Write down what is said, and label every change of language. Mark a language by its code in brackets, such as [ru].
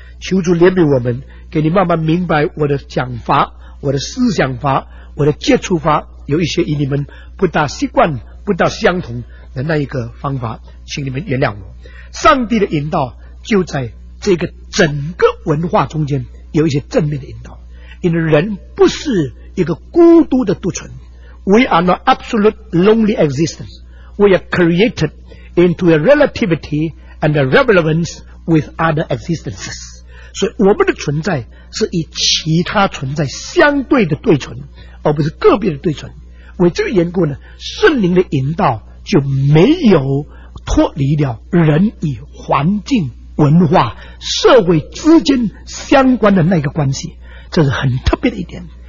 [zh] 求主怜悯我们，给你慢慢明白我的讲法、我的思想法、我的接触法有一些与你们不大习惯不大相同的那一个方法，请你们原谅我。上帝的引导就在这个整个文化中间有一些正面的引导，因为人不是一个孤独的独存。 [en] We are not absolute lonely existence. We are created into a relativity and a relevance with other existences. [zh] 所以我们的存在是与其他存在相对的对存，而不是个别的对存。为这个缘故呢，圣灵的引导就没有脱离了人与环境、文化、社会之间相关的那个关系，这是很特别的一点。